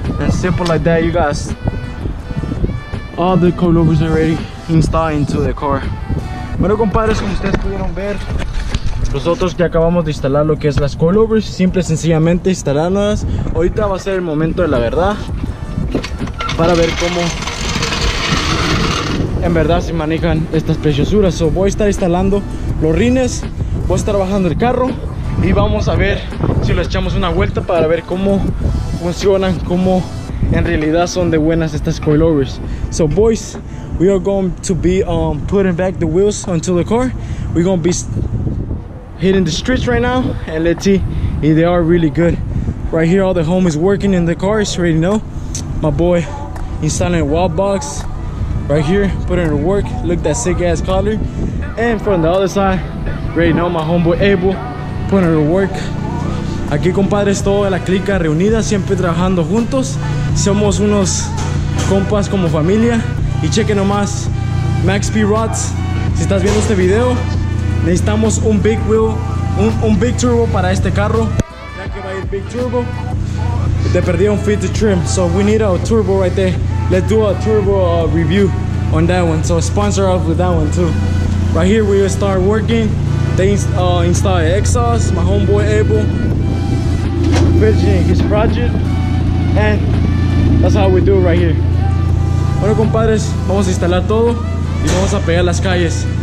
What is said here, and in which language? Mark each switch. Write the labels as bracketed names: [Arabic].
[English] Simple like that, you guys. All the coilovers are ready installed into the car. [Spanish] Bueno, compadres, como ustedes pudieron ver, nosotros ya acabamos de instalar lo que es las coilovers, simple, sencillamente instaladas. Ahorita va a ser el momento de la verdad para ver cómo en verdad se manejan estas preciosuras. So, voy a estar instalando los rines, voy a estar bajando el carro y vamos a ver si lo echamos una vuelta para ver cómo funcionan, cómo en realidad son de buenas estas coilovers. [English] So boys, we are going to be putting back the wheels onto the car. We're going to be hitting the streets right now. And let's see if they are really good. Right here, all the homies working in the car. You already know. My boy installing a wall box. Right here, putting it to work. Look at that sick ass collar. And from the other side, right now, my homeboy Abel putting it to work. [Spanish] Aquí, compadres, toda la clica reunida, siempre trabajando juntos. Somos unos compas como familia. Y cheque nomás, Max P. Rods, si estás viendo este video, necesitamos un [English] big wheel, [Spanish] un [English] big turbo [Spanish] para este carro, ya que va a ir big turbo. Te perdí un [English] fit to trim, so we need a turbo right there. Let's do a turbo review on that one, so sponsor us with that one too. Right here we will start working. They install exhaust, my homeboy Abel finishing his project, and that's how we do it right here. [Spanish] Bueno, compadres, vamos a instalar todo y vamos a pegar las calles.